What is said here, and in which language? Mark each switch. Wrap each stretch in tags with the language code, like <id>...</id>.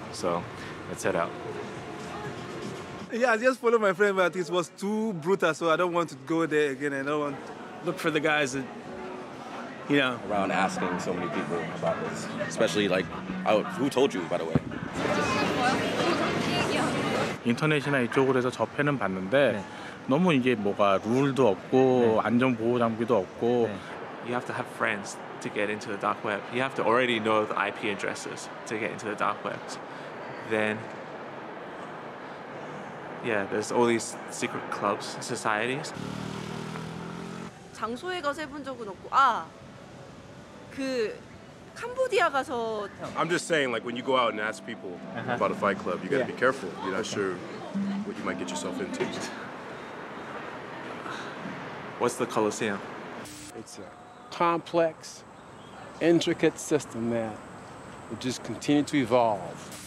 <en>So let's head out. Yeah, I just followed my friend, but it was too brutal, so I don't want to go there again. I don't want to look for the guys that, you know. Around asking so many people about this, especially like, who told you, by the way?</en> <ko>인터넷이나 이쪽으로 해서 접해는 봤는데 너무 이게 뭐가 룰도 없고 안전 보호 장비도 없고</ko> <en>You have to have friends to get into the dark web. You have to already know the IP addresses to get into the dark web. Then yeah, there's all these secret clubs, societies.</en> <ko>장소에 가서 해본 적은 없고 아 그 캄보디아 가서</ko> <en>I'm just saying like when you go out and ask people uh-huh. about a fight club, you got to yeah. be careful. You're not sure what you might get yourself into. What's the Colosseum? It's a complex, intricate system that will just continue to evolve.</en>